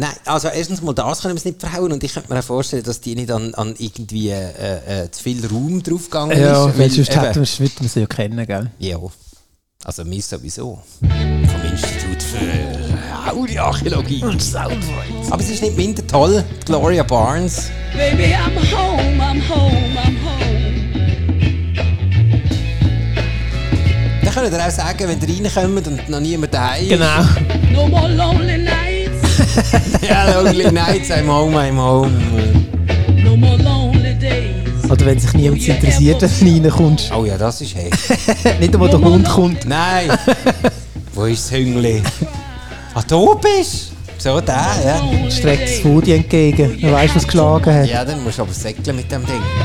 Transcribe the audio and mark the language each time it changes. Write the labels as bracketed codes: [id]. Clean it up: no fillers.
[de] Nein, also erstens mal das können wir es nicht verhauen. Und ich könnte mir auch vorstellen, dass die nicht an irgendwie zu viel Raum draufgegangen ja, ist. Ja, weil sonst würden wir sie ja kennen, gell? Ja. Also mir sowieso. Vom Institut für Audioarchäologie. Und Soundwaves. Aber es ist nicht minder toll, Gloria Barnes. [en] Baby, I'm home, I'm home, I'm home. [de] Da könnt ihr auch sagen, wenn ihr reinkommt und noch niemand daheim. Genau. [en] No more lonely nights. Ja, lonely nights, I'm home, I'm home. No more lonely days. [de] Oder wenn sich niemand interessiert, wenn du reinkommst. Oh ja, das ist heftig. Nicht einmal der Hund kommt. Nein! Wo ist das Hüngli? Ah, du bist! So, der, ja. Streckt das Hudi entgegen. Du weißt, was geschlagen hat. Ja, dann musst du aber säckeln mit dem Ding.